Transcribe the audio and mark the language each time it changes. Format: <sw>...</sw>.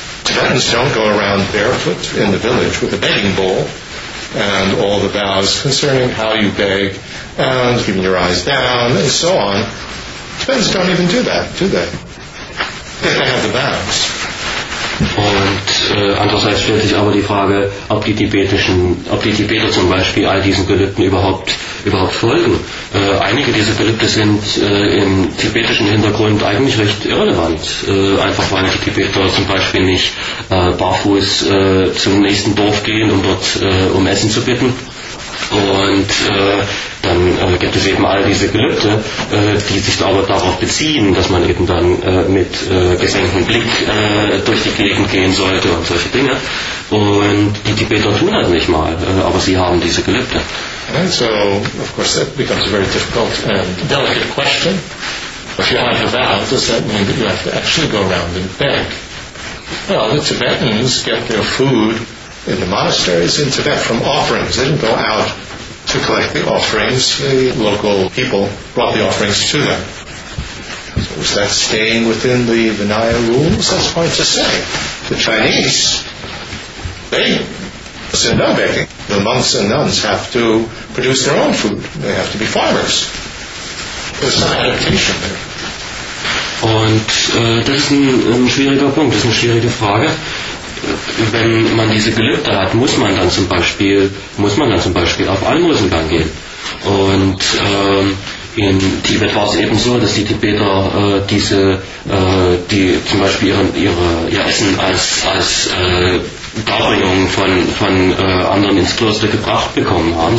<en>Tibetans don't go around barefoot in the village with a begging bowl, and all the vows concerning how you beg, and keeping your eyes down, and so on. Tibetans don't even do that, do they? They have the vows.</en> <de>Und andererseits stellt sich aber die Frage, ob die Tibeter zum Beispiel all diesen Gelübden überhaupt folgen. Einige dieser Gelübde sind im tibetischen Hintergrund eigentlich recht irrelevant. Einfach weil die Tibeter zum Beispiel nicht barfuß zum nächsten Dorf gehen, um dort um Essen zu bitten. Und dann gibt es eben all diese Gelübde, die sich aber darauf beziehen, dass man eben dann mit gesenktem Blick durch die Gegend gehen sollte und solche Dinge. Und die Tibeter tun das nicht mal, aber sie haben diese Gelübde.</de> <en>And so, of course, that becomes a very difficult and delicate question. If you have a vow, does that mean that you have to actually go around and beg? Well, the Tibetans get their food in the monasteries in Tibet from offerings. They didn't go out to collect the offerings. The local people brought the offerings to them. So is that staying within the Vinaya rules? That's hard to say. The Chinese, they send no begging. The monks and nuns have to produce their own food. They have to be farmers. There's some adaptation there.</en> <de>Und das ist ein schwieriger Punkt, das ist eine schwierige Frage. Wenn man diese Gelübde hat, muss man dann zum Beispiel auf Almosengang gehen. Und in Tibet war es eben so, dass die Tibeter die zum Beispiel ihr Essen als Darbringung von anderen ins Kloster gebracht bekommen haben.</de>